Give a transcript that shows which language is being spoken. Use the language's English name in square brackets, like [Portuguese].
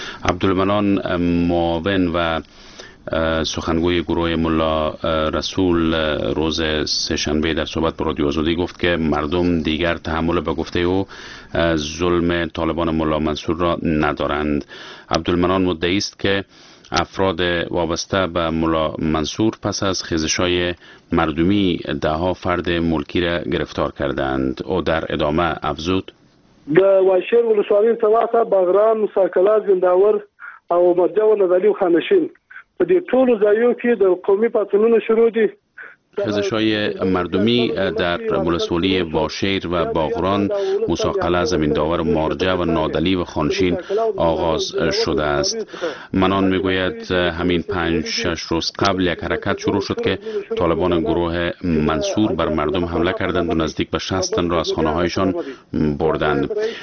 [Persian] عبدالمنان معاون و سخنگوی گروه ملا رسول روز سه‌شنبه در صحبت با رادیو آزادی گفت که مردم دیگر تحمل به گفته او ظلم طالبان ملا منصور را ندارند. عبدالمنان مدعی است که افراد وابسته به ملا منصور پس از خیزش‌های مردمی ده‌ها فرد ملکی را گرفتار کردند. او در ادامه افزود: [Pashto] د واشیر ولسوالی تلاته، بغران، مساکلات، زنداور او مرجه و نزلی و خانشین په دې ټولو ځایو کې د قومي پاڅونونو شروع دي. [Persian] خیزش های مردمی در ولسوالی واشیر و باغران، مساقله، زمینداور، مارجه و نادلی و خانشین آغاز شده است. منان میگوید همین 5-6 روز قبل یک حرکت شروع شد که طالبان گروه منصور بر مردم حمله کردند و نزدیک به 60 تن را از خانه هایشان بردند.